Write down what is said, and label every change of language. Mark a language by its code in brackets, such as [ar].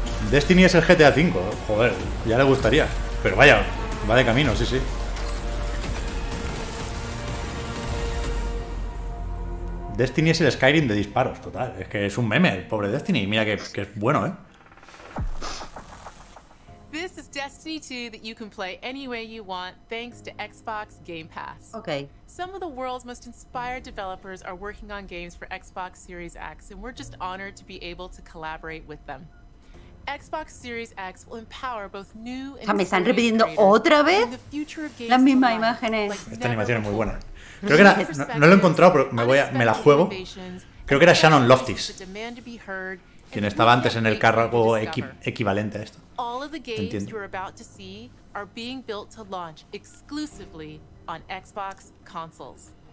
[es] Destiny es el GTA V, joder, ya le gustaría. Pero vaya, va de camino, sí, sí. Destiny es el Skyrim de disparos, total. Es que es un meme, el pobre Destiny. Mira que es bueno, ¿eh? [en] This is Destiny 2 that you can play any way you want thanks to Xbox Game Pass. Okay. Some of the world's most inspired developers are working on games for Xbox Series X, and we're just honored to be able to collaborate with them. Xbox Series X will empower both new and [es] ¿me están repitiendo otra vez? Las mismas imágenes. Esta animación es muy buena. Creo que era, no lo he encontrado, pero me la juego. Creo que era Shannon Loftis quien estaba antes en el cargo equivalente a esto. [en] All of the games you're about to see are being built to launch exclusively on Xbox consoles.